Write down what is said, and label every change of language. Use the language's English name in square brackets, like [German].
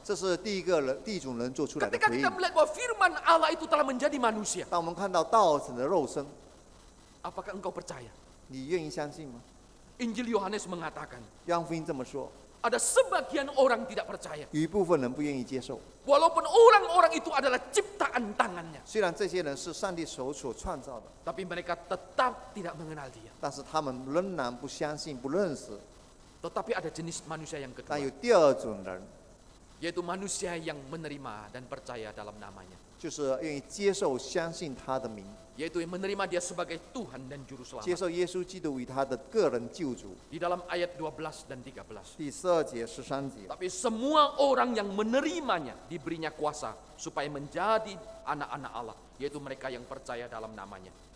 [Chinese] 这是第一个人，第一种人做出来的回应。 [Indonesian] Ketika kita melihat bahwa firman Allah itu telah menjadi manusia. [Chinese] 当我们看到道成的肉身， [Indonesian] apakah engkau percaya? [Chinese] 你愿意相信吗？ [Indonesian] Injil Yohanes mengatakan. [Chinese] 约翰福音这么说。 [Indonesian] Ada sebagian orang tidak percaya. [Chinese] 一部分人不愿意接受。 [Indonesian] Walaupun orang-orang itu adalah ciptaan tangannya. [Chinese] 虽然这些人是上帝手所创造的。 [Indonesian] Tapi mereka tetap tidak mengenal dia. [Chinese] 但是他们仍然不相信，不认识。 [Indonesian] Tetapi ada jenis manusia yang kedua. [Chinese] 但有第二种人， [Indonesian] yaitu manusia yang menerima dan percaya dalam namanya. [Chinese] 就是愿意接受相信他的名。 [Indonesian] Yaitu yang menerima dia sebagai Tuhan dan Juru Selamat. [Chinese] 接受耶稣基督为他的个人救主。 [Indonesian] Di dalam ayat 12 dan 13. [Chinese] 第12节、13节。 [Indonesian] Tapi semua orang yang menerimanya diberinya kuasa supaya menjadi anak-anak Allah, yaitu mereka yang percaya dalam namanya.